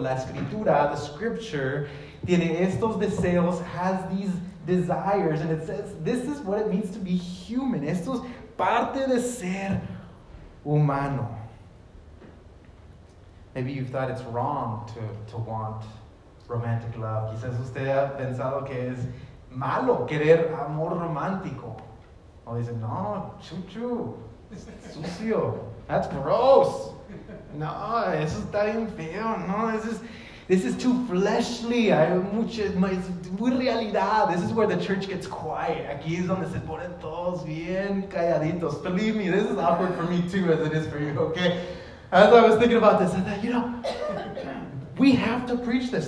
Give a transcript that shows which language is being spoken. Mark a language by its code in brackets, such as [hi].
[es] La escritura, [en] the scripture, [es] tiene estos deseos, [en] has these desires. And it says, this is what it means to be human. [es] Esto es parte de ser humano. [en] Maybe you've thought it's wrong to want romantic love. [es] Quizás usted ha pensado que es malo querer amor romántico. O dice, no, chuchu, es sucio. [en] That's gross. [es] No, eso está bien feo. [en] No, this is too fleshly. [es] Es muy realidad. [en] This is where the church gets quiet. [es] Aquí es donde se ponen todos bien calladitos. [en] Believe me, this is awkward for me too as it is for you, okay? As I was thinking about this, I thought, you know, we have to preach this.